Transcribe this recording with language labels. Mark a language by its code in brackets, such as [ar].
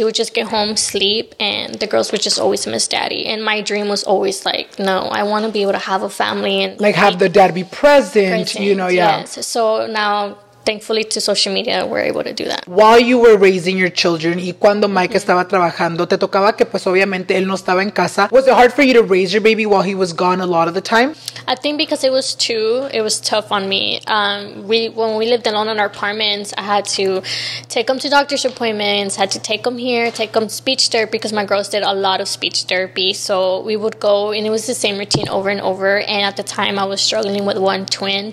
[en] He would just get home, sleep, and the girls would just always miss daddy. And my dream was always like, no, I want to be able to have a family and like have the dad be present, you know? Yeah. Yes. So now, thankfully, to social media, we're able to do that. While you were raising your children, [es] y cuando [en] Mike mm-hmm. [es] estaba trabajando, te tocaba que, pues, obviamente, él no estaba en casa. [en] Was it hard for you to raise your baby while he was gone a lot of the time? I think because it was tough on me. When we lived alone in our apartments, I had to take him to doctor's appointments, had to take him here, take him speech therapy, because my girls did a lot of speech therapy. So we would go, and it was the same routine over and over. And at the time, I was struggling with one twin.